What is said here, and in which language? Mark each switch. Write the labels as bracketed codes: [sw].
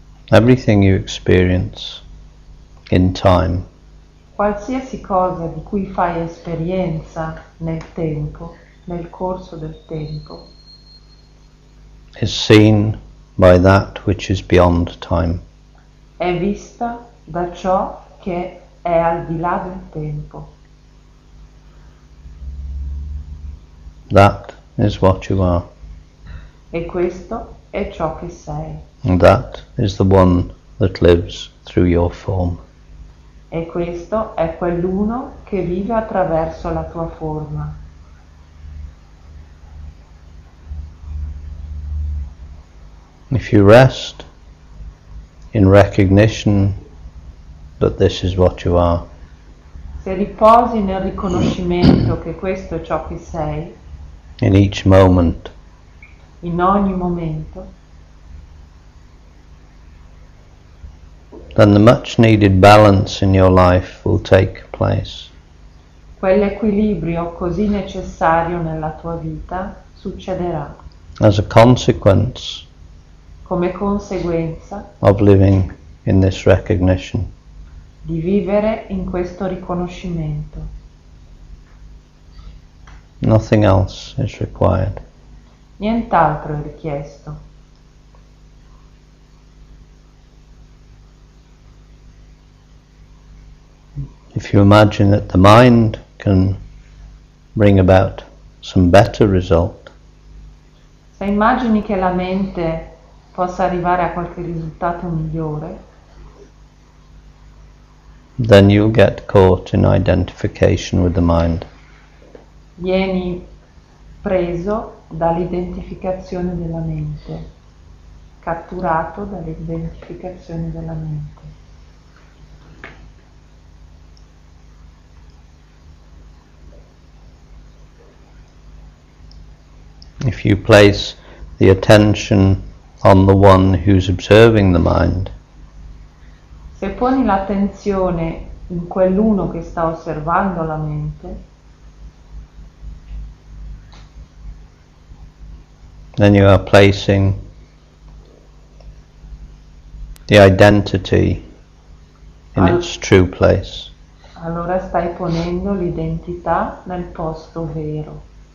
[en] Everything you experience in time. [it] Qualsiasi cosa di cui fai esperienza nel tempo, nel corso del tempo, [en] is seen by that which is beyond time. [it] È vista da ciò che è al di là del tempo. [en] That is what you are. [it] E questo è ciò che sei. [en] That is the one that lives through your form. [it] E questo è quell'uno che vive attraverso la tua forma. [en] If you rest in recognition that this is what you are, [it] se riposi nel riconoscimento che questo è ciò che sei, [en] in each moment, [it] in ogni momento, [en] then the much needed balance in your life will take place. [it] Quell'equilibrio così necessario nella tua vita succederà. [en] As a consequence, [it] come conseguenza, [en] of living in this recognition, [it] di vivere in questo riconoscimento. [en] Nothing else is required. [it] Nient'altro è richiesto. [en] If you imagine that the mind can bring about some better result, [it] se immagini che la mente possa arrivare a qualche risultato migliore, [en] then you get caught in identification with the mind. [it] Vieni preso dall'identificazione della mente, catturato dall'identificazione della mente. [en] If you place the attention on the one who's observing the mind, [it] se poni l'attenzione in quell'uno che sta osservando la mente, [en] then you are placing the identity in its true place. [it] Allora stai ponendo l'identità nel posto vero.